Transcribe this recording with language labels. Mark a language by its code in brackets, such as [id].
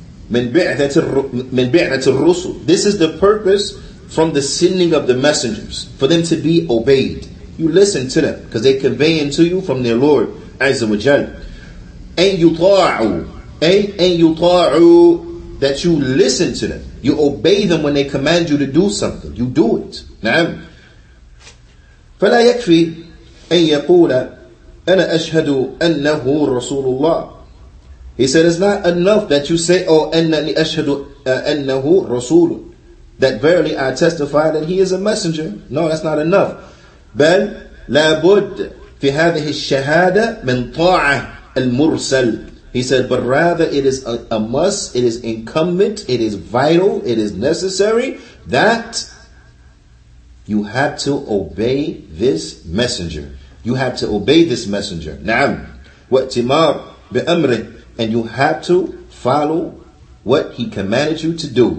[ar] Min bi'nat al-rusul. [en] This is the purpose from the sending of the messengers, for them to be obeyed. You listen to them because they convey unto you from their Lord Azza wa Jal. And you ta'u, that you listen to them. You obey them when they command you to do something. You do it. Na'am. [ar] فلا يكفي أن يقول أنا أشهد أنه رسول الله. [en] He said, it's not enough that you say, oh, [ar] أنني أشهد أنه رسول, [en] that verily I testify that he is a messenger. No, that's not enough. [ar] بل لابد في هذه الشهادة من طاعة المرسل. [en] He said, but rather it is a must, it is incumbent, it is vital, it is necessary that you have to obey this messenger. You have to obey this messenger. [ar] نعم واتمار بأمره, [en] and you have to follow what he commanded you to do.